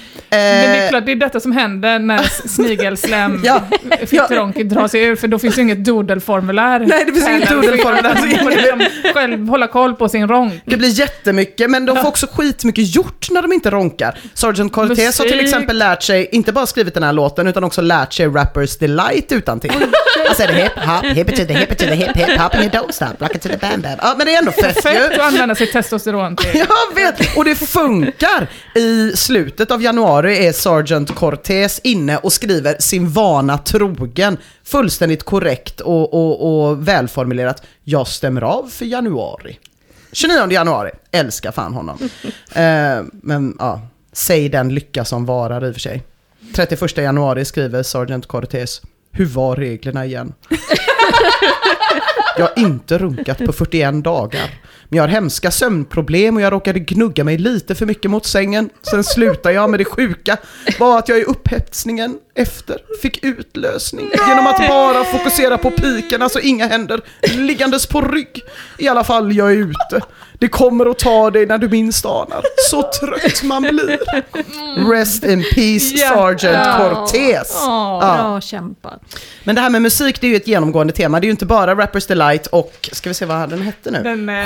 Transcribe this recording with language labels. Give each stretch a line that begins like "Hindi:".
Swedish: Men det är klart, det är detta som händer när snigelsläm drar sig ur, för då finns ju inget doodelformulär. Nej, det finns inget doodelformulär. Man får liksom själv hålla koll på sin ronk. Det blir jättemycket, men de får också skitmycket gjort när de inte ronkar. Sergeant Cortez har till exempel lärt sig, inte bara skrivit den här låten, utan också lärt sig Rapper's Delight utan till. Han säger
English: hip hop, hip to the hip to the hip, hip hop and you don't stop, rock it to the bam bam.
Swedish: Ja, men det är ändå fett ju. Fett att använda sig testosteron till. Jag vet, och det funkar. I slutet av januari är Sergeant Cortez inne och skriver sin vana trogen, fullständigt korrekt och välformulerat: jag stämmer av för januari. 29 januari. Älskar fan honom. Men ja, säg den lycka som varar i och för sig. 31 januari skriver Sergeant Cortez: hur var reglerna igen? Jag har inte runkat på 41 dagar. Men jag har hemska sömnproblem och jag råkade gnugga mig lite för mycket mot sängen. Sen slutar jag med det sjuka. Bara att jag i upphetsningen efter fick utlösning. Nej! Genom att bara fokusera på pikarna, så inga händer liggandes på rygg. I alla fall, jag är ute. Det kommer att ta dig när du minst anar. Så trött man blir.
English: Rest in peace, Sergeant Cortez.
Swedish: Bra kämpat. Men det här med musik, det är ju ett genomgående tema. Det är ju inte bara Rapper's Delight och, ska vi se vad den hette nu?